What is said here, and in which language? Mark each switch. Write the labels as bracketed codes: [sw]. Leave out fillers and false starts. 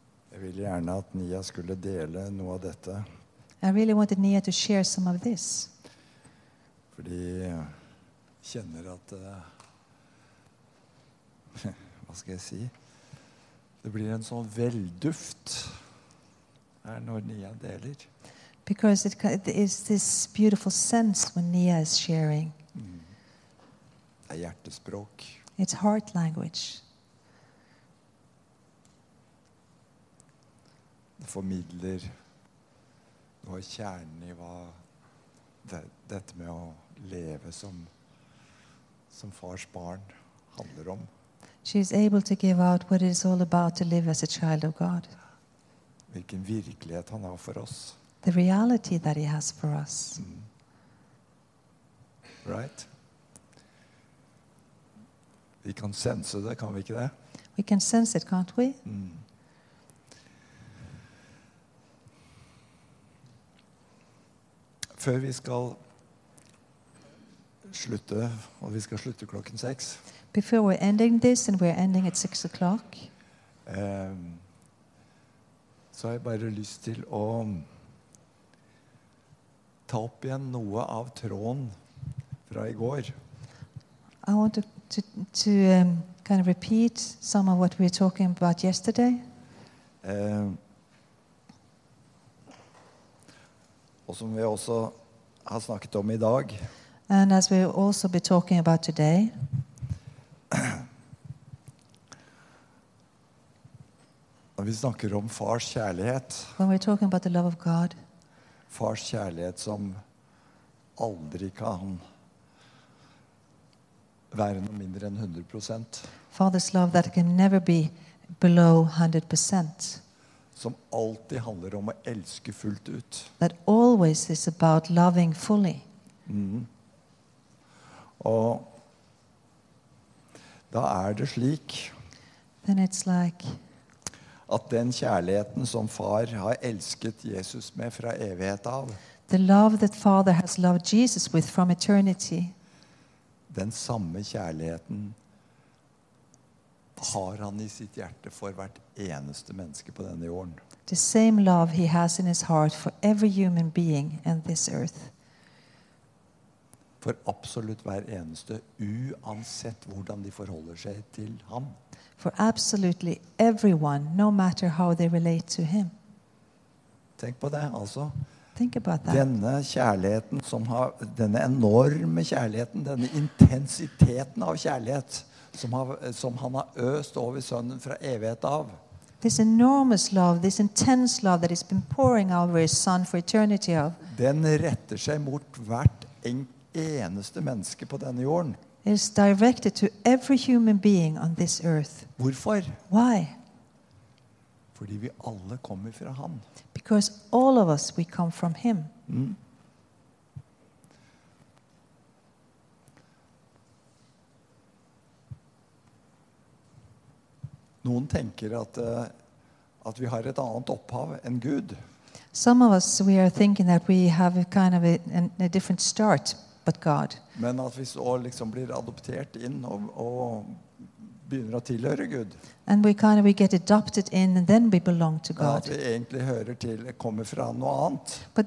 [sv] Jag vill gärna att Nia skulle dela något av detta. [en] I really wanted Nia to share some of this. [sv] För jag känner att vad ska jag säga? Si? Det blir en sån välduft här när Nia delar. [en] Because it is this beautiful sense when Nia is sharing. [no] Hjertespråk. [en] It's heart language. [no] Det formidler noe kjernen I hva dette med å leve som fars barn handler om. [en] She is able to give out what it is all about to live as a child of God. [no] Hvilken virkelighet han har for oss. [en] The reality that he has for us. Mm. Right? [no] Vi kan sense det, kan vi ikke det? [en] We can sense it, can't we? Mm. [no] Før vi skal slutte, og vi skal slutte klokken seks. [en] Before we're ending this, and we're ending at 6 o'clock. [no] Så har jeg bare lyst til å ta opp igjen noe av tråden fra I går. [en] I want to kind of repeat some of what we were talking about yesterday. [no] Og som vi også har snakket om I dag. [en] And as we will also be talking about today. [no] Når vi snakker om fars kjærlighet. [en] When we're talking about the love of God. [no] Fars kjærlighet som aldri kan være noe mindre enn 100%. [en] Father's love that can never be below 100%. [no] Som alltid handler om å elske fullt ut. [en] That always is about loving fully. [no] Mm. Og da det slik [en] then it's like [no] at den kjærligheten som far har elsket Jesus med fra evighet av [en] the love that father has loved Jesus with from eternity [no] den samme kjærligheten har han I sitt hjerte for hvert eneste menneske på denne jorden. [en] The same love he has in his heart for every human being on this earth. [no] For absolutt hver eneste, uansett hvordan de forholder seg til ham. [en] For absolutely everyone, no matter how they relate to him. [no] Tenk på det, altså. [en] Think about that. [no] Denne kjærligheten som har, denne enorme kjærligheten, denne intensiteten av kjærlighet, som han har øst over sønnen fra evighet av. [en] This enormous love, this intense love that he's been pouring over his son for eternity of. [no] Den retter seg mot hvert eneste menneske på denne jorden. [en] It's directed to every human being on this earth. [no] Hvorfor? [en] Why? [no] Fordi vi alle kommer fra han. [en] Because all of us, we come from him. Mm. [no] Noen tenker at vi har et annet opphav enn Gud. [en] Some of us, we are thinking that we have a kind of a different start, but God. [no] Men at vi så liksom blir adoptert inn og begynner å tilhøre Gud. [en] And we get adopted in and then we belong to God. [no] At vi egentlig hører til, kommer fra noe annet.